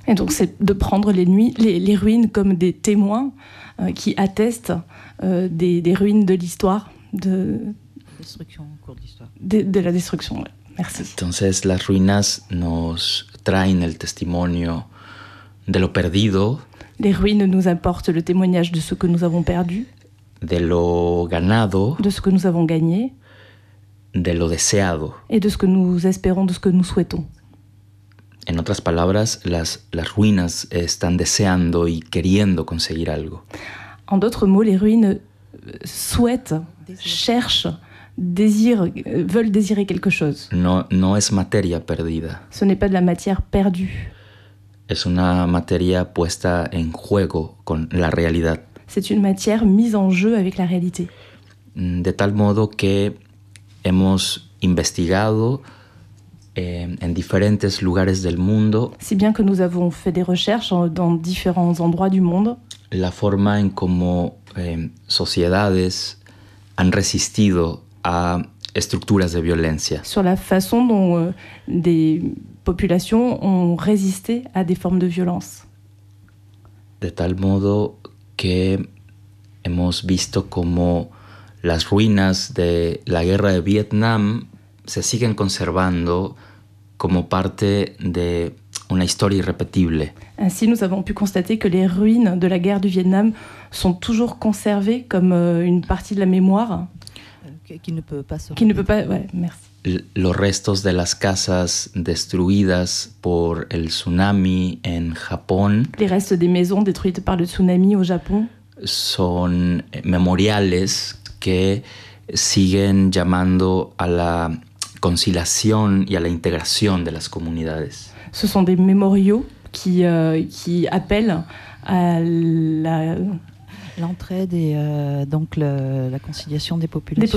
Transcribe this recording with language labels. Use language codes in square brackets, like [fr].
[fr] Et donc c'est de prendre les ruines comme des témoins qui attestent des ruines de l'histoire de [es] la destrucción en [fr] cours d'histoire. [es] De la destrucción. Merci. Entonces las ruinas nos traen el testimonio de lo perdido. [fr] Les ruines nous apportent le témoignage de ce que nous avons perdu. [es] De lo ganado. [fr] De ce que nous avons gagné. [es] De lo deseado. [fr] Et de ce que nous espérons, de ce que nous souhaitons. [es] En otras palabras, las ruinas están deseando y queriendo conseguir algo. [fr] En d'autres mots, les ruines souhaitent, cherchent, désirent, veulent désirer quelque chose. [es] No es materia perdida. [fr] Ce n'est pas de la matière perdue. [es] Es una materia puesta en juego con la realidad. [fr] C'est une matière mise en jeu avec la réalité. [es] De tal modo que hemos investigado en diferentes lugares del mundo. [fr] Si bien que nous avons fait des recherches dans différents endroits du monde. [es] La forma en cómo sociedades han resistido a estructuras de violencia. [fr] Sur la façon dont des populations ont résisté à des formes de violence. [es] De tal modo que hemos visto cómo las ruinas de la guerra de Vietnam se siguen conservando como parte de una historia irrepetible. [fr] Ainsi, nous avons pu constater que les ruines de la guerre du Vietnam sont toujours conservées comme une partie de la mémoire. Qui ne peut pas se qui ne peut pas, ouais, merci. [es] Los restos de las casas destruidas por el tsunami en Japón. [fr] Les restes des maisons détruites par le tsunami au Japon. [es] Son memoriales que siguen llamando a la conciliación y a la integración de las comunidades. [fr] Ce sont des mémoriaux qui appellent à la l'entraide et donc la conciliation des populations.